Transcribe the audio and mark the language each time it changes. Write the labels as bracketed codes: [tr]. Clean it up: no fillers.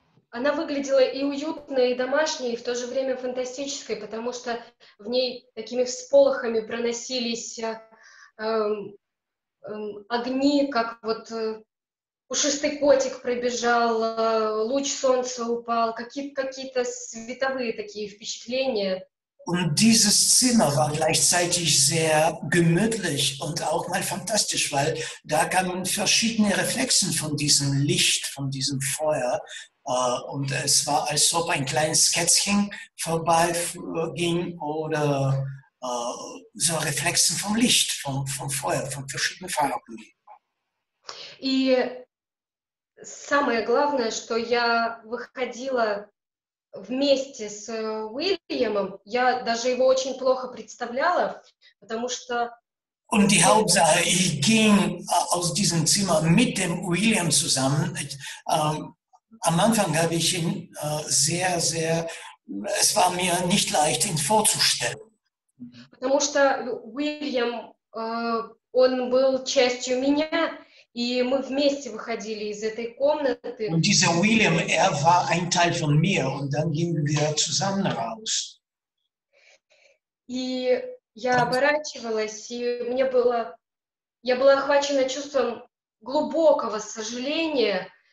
[ru] Она выглядела и уютной, и домашней, и в то же время фантастической, потому что в ней такими всполохами проносились огни, как вот пушистый котик пробежал, луч солнца упал, какие-то световые такие впечатления. [de] Und dieses Zimmer war gleichzeitig sehr gemütlich und auch mal fantastisch, weil da kamen verschiedene Reflexen von diesem Licht, von diesem Feuer. Und es war, als ob ein kleines Kätzchen vorbeiging oder so Reflexen vom Licht, vom Feuer, von verschiedenen Farben. [ru] И самое главное, что я выходила вместе с Уильямом, я даже его очень плохо представляла, потому что... [de] Und die Hauptsache, ich ging aus diesem Zimmer mit dem William zusammen. Am Anfang habe ich ihn sehr, es war mir nicht leicht, ihn vorzustellen. [ru] Потому что Уильям, он был частью меня, и мы вместе выходили из этой комнаты. [de] Und dieser William, war ein Teil von mir, und dann gingen wir zusammen raus. [ru] И я оборачивалась, и мне было, я была охвачена чувством глубокого сожаления.